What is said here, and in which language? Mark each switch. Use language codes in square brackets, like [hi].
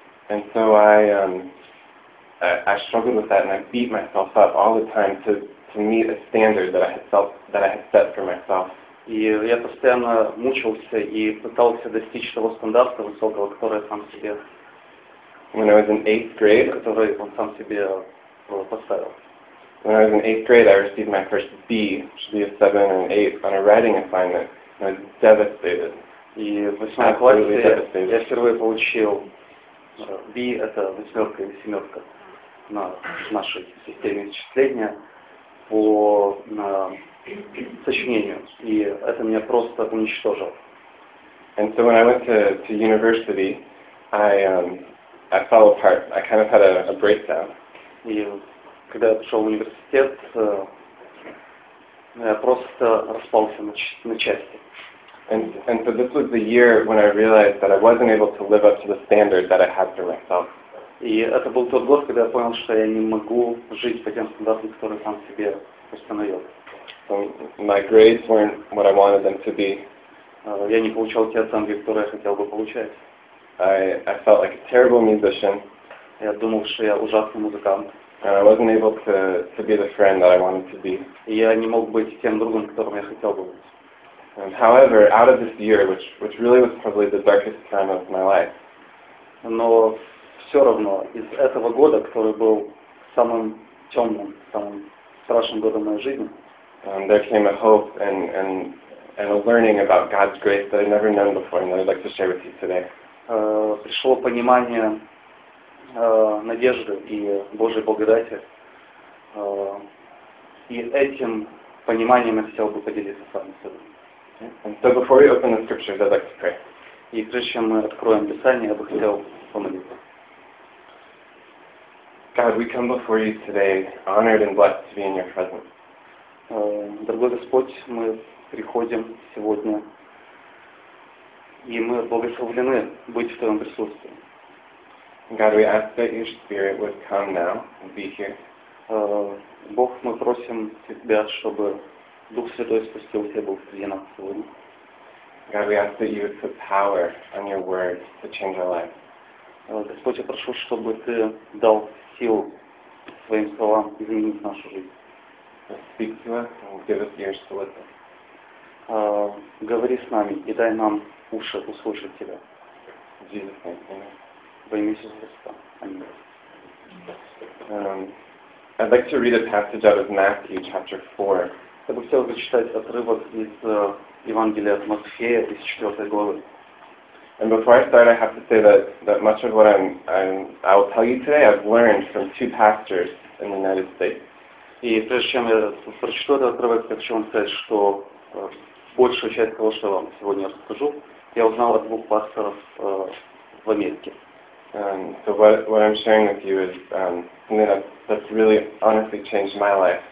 [en] And so I struggled with that, and I beat myself up all the time to meet a standard that I had set for myself. [ru] И я постоянно мучился и пытался достичь того стандарта высокого, который сам себе, [en] when I was in eighth grade, [ru] который он сам себе поставил. [en] When I was in eighth grade, I received my first B, which would be a 7 and an 8, on a writing assignment, and I was devastated. [ru] И в восьмом классе я впервые получил B, это восьмерка или семерка на нашей системе исчисления по сочинению, и это меня просто уничтожило. [en] And so when I went to university, I fell apart. I kind of had a breakdown. [ru] И когда я пошел в университет, я просто распался на части. [en] And so this was the year when I realized that I wasn't able to live up to the standard that I had for myself. [ru] И это был тот год, когда я понял, что я не могу жить по тем стандартам, которые сам себе установил. [en] So my grades weren't what I wanted them to be. [ru] Я не получал те оценки, которые я хотел бы получать. [en] I felt like a terrible musician. [ru] Я думал, что я ужасный музыкант. [en] And I wasn't able to be the friend that I wanted to be. [ru] И я не мог быть тем другом, которым я хотел бы быть. [en] And however, out of this year, which really was probably the darkest time of my life. [ru] Но все равно из этого года, который был самым темным, самым страшным годом моей жизни. [en] There came a hope and a learning about God's grace that I'd never known before, and that I'd like to share with you today. [ru] Пришло понимание надежды и Божьей благодати, и этим пониманием я хотел бы поделиться с вами сегодня. [en] And so before we open the scriptures, I'd like to pray. [ru] И прежде чем мы откроем Писание, я бы хотел помолиться. [en] God, we come before you today, honored and blessed to be in your presence. [ru] Дорогой Господь, мы приходим сегодня, и мы благословлены быть в Твоем присутствии. [en] God, we ask that Your Spirit would come now and be here. [ru] Бог, мы просим Тебя, чтобы Дух Святой спустился и был среди нас сегодня. [en] God, we ask that You would put power on Your Word to change our lives. [ru] Господь, я прошу, чтобы Ты дал силу Своим словам изменить нашу жизнь. [en] Speak to us and give us ears to listen. [ru] Говори с нами и дай нам уши услышать Тебя. [en] In Jesus' name, amen. [ru] Во имя Иисуса Христа. Аминь. [en] I'd like to read a passage out of Matthew chapter 4. [ru] Я бы хотел прочитать отрывок из Евангелия от Матфея из 4 главы. [en] And before I start, I have to say that much of what I will tell you today, I've learned from two pastors in the United States. [ru] И прежде чем я прочитаю этот отрывок, я хочу вам сказать, что большую часть того, что я вам сегодня расскажу, я узнал от двух пасторов в Америке. [en] So what I'm sharing with you is something that's really honestly changed my life.